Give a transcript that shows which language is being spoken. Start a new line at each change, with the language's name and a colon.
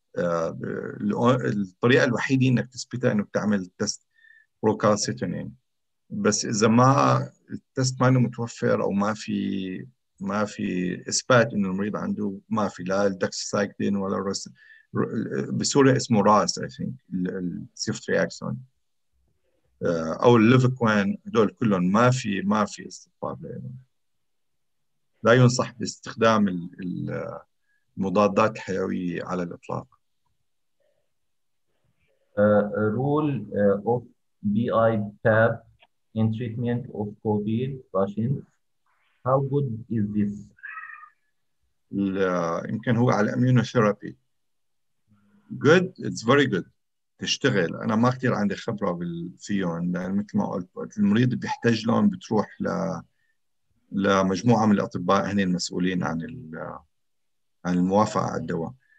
Arabic: الطريقه الوحيده انك تثبتها انه بتعمل تست بروكالسيتونين بس اذا ما التست ما انه متوفر او ما في اثبات انه المريض عنده ما في لا الدوكسيسايكلين ولا بسوريا اسمه راس
English: I think
Arabic: السيفتريكسون أو الليفكوين دول كلهم ما في استطباب لهم. لا ينصح باستخدام المضادات الحيوية على الإطلاق.
English: Role of BI PAP in treatment of COVID patients. How good is this?
Arabic: يمكن هو على الأميونوثيرابي.
English: Good, it's very good.
Arabic: تشتغل. أنا ما كتير عندي خبرة فيهم لأن مثل ما قلت المريض بيحتاج لهم بتروح لمجموعة من الأطباء هن المسؤولين عن الموافقة على الدواء.